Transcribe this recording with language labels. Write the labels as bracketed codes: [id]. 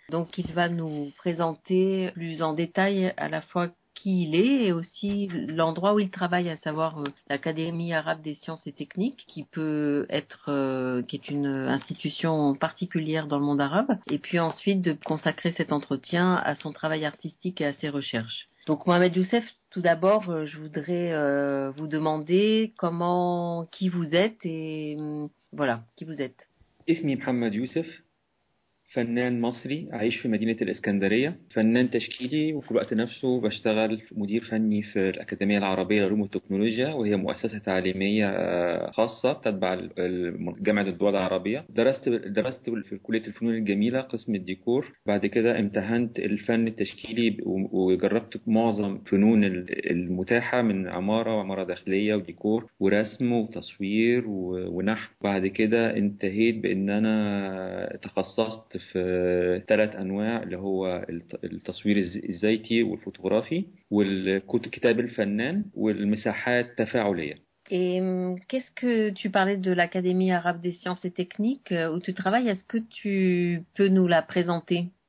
[fr] Donc il va nous présenter plus en détail à la fois qui il est et aussi l'endroit où il travaille, à savoir l'Académie arabe des sciences et techniques, qui peut être, qui est une institution particulière dans le monde arabe, et puis ensuite de consacrer cet entretien à son travail artistique et à ses recherches. Donc Mohamed Youssef, tout d'abord, je voudrais vous demander qui vous êtes et voilà, qui vous êtes. [ar] Ismi Mohamed Youssef. فنان مصري عايش في مدينة الإسكندرية فنان تشكيلي وفي الوقت نفسه بشتغل مدير فني في الأكاديمية العربية للعلوم والتكنولوجيا وهي مؤسسة تعليمية خاصة تتبع جامعة الدول العربية درست في كلية الفنون الجميلة قسم الديكور بعد كده امتهنت الفن التشكيلي وجربت معظم فنون المتاحة من عمارة وعمارة داخلية وديكور ورسم وتصوير ونحت بعد كده انتهيت بأن أنا تخصصت في ثلاث أنواع اللي هو التصوير الزيتي والفوتوغرافي والكتاب الفنان والمساحات التفاعلية. [fr] Et qu'est-ce que tu parlais de l'Académie arabe des sciences et techniques où tu travailles? Est-ce que tu peux nous la présenter?